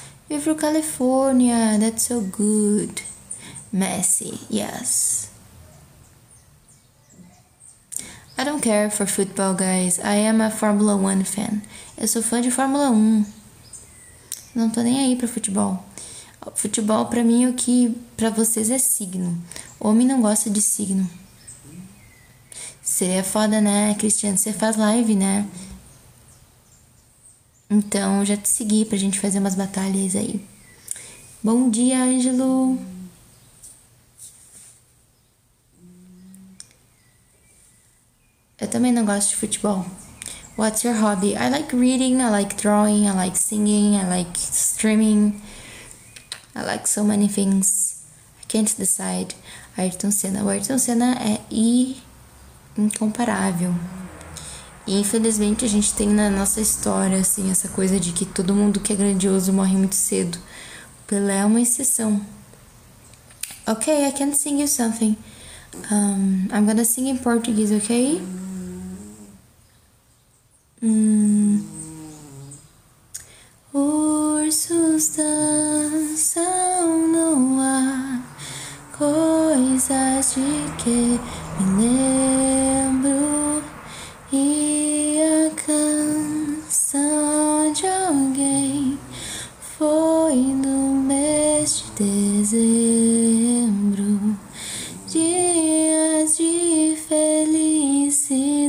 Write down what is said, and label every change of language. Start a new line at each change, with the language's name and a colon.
English: You're from California. That's so good. Messi, yes. I don't care for football, guys. I am a Formula One fan.
Portuguese: Eu sou fã de Fórmula 1. Não tô nem aí pra futebol. Futebol pra mim é o que pra vocês é signo. Homem não gosta de signo. Seria foda, né, Cristiano? Você faz live, né? Então, já te segui pra gente fazer umas batalhas aí. Bom dia, Ângelo. Eu também não gosto de futebol.
English: What's your hobby? I like reading, I like drawing, I like singing, I like streaming. I like so many things. I can't decide.
Portuguese: Ayrton Senna. O Ayrton Senna é incomparável. E infelizmente a gente tem na nossa história, assim, essa coisa de que todo mundo que é grandioso morre muito cedo. Pelé é uma exceção.
English: Okay, I can sing you something. I'm gonna sing in Portuguese, okay?
Portuguese: Ursos dançam no ar, coisas de que me lembro, e a canção de alguém foi no mês de dezembro, dias de felicidade.